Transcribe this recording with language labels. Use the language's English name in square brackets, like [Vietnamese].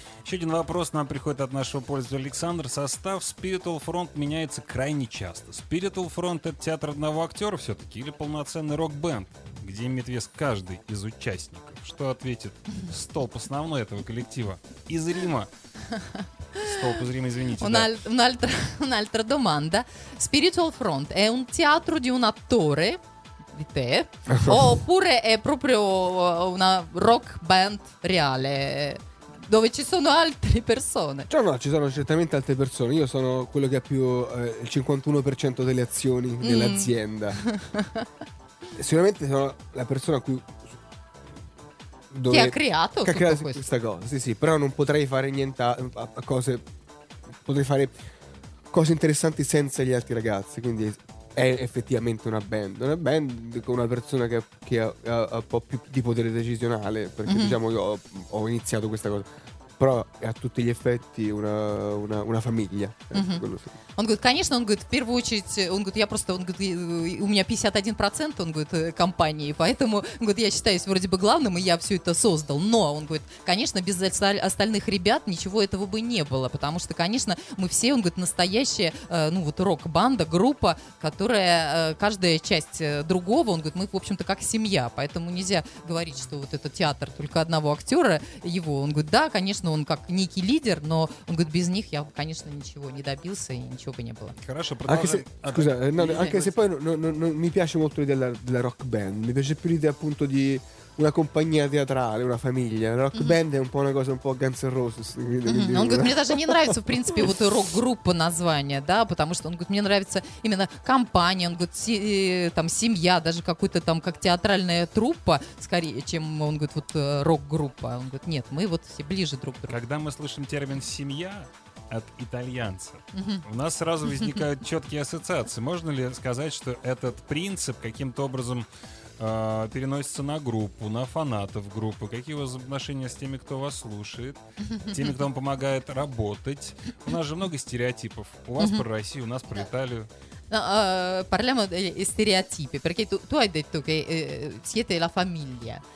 [Russian] Еще один вопрос нам приходит от нашего пользователя Александра. Состав Spiritual Front меняется крайне часто. Spiritual Front — это театр одного актера все-таки или полноценный рок-бенд, где имеет вес каждый из участников? Что ответит столб основной этого коллектива из Рима? Столб из Рима, извините. [Italian] Un'altra domanda. Spiritual Front è un teatro di un attore, di te, oppure è proprio una rock band reale dove ci sono altre persone? Cioè, no, ci sono certamente altre persone. Io sono quello che ha più il 51% delle azioni dell'azienda. Sicuramente sono la persona a cui... Dove ti ha creato, che ha creato questo. Questa cosa, sì, sì, però non potrei fare niente a cose. Potrei fare cose interessanti senza gli altri ragazzi. Quindi è effettivamente una band. Una band con una persona che ha un po' più di potere decisionale. Perché diciamo, io ho iniziato questa cosa. Però è a tutti gli effetti una famiglia. [Russian] Он говорит, конечно, он говорит, в первую очередь, он говорит, я просто, он говорит, у меня 51%, он говорит, компании, поэтому, он говорит, я считаюсь вроде бы главным, и я все это создал, но, он говорит, конечно, без остальных ребят ничего этого бы не было, потому что, конечно, мы все, он говорит, настоящая, ну вот, рок-банда, группа, которая, каждая часть другого, он говорит, мы, в общем-то, как семья, поэтому нельзя говорить, что вот этот театр только одного актера, его, он говорит, да, конечно, он как некий лидер, но, он говорит, без них я, конечно, ничего не добился и ничего бы не было. Хорошо, [Italian] Mi piace molto l'idea della rock band. Mi piace più l'idea appunto di una compagnia teatrale, una famiglia. La rock band è un po' una cosa un po' Guns N' Roses. [Russian] Он говорит, мне даже не нравится, в принципе, вот рок-группа название, да, потому что он говорит, мне нравится именно компания, он говорит, там семья, даже какой-то там как театральная труппа, скорее, чем он говорит, вот рок-группа. Он говорит, нет, мы вот все ближе друг к другу. Когда мы слышим термин семья от итальянца, у нас сразу возникают четкие ассоциации. Можно ли сказать, что этот принцип каким-то образом переносится на группу, на фанатов группы? Какие у вас отношения с теми, кто вас слушает, теми, кто вам помогает работать? У нас же много стереотипов. У вас про Россию, у нас про Италию. [Italian] Parliamo di stereotipi, perché tu hai detto che siete la famiglia.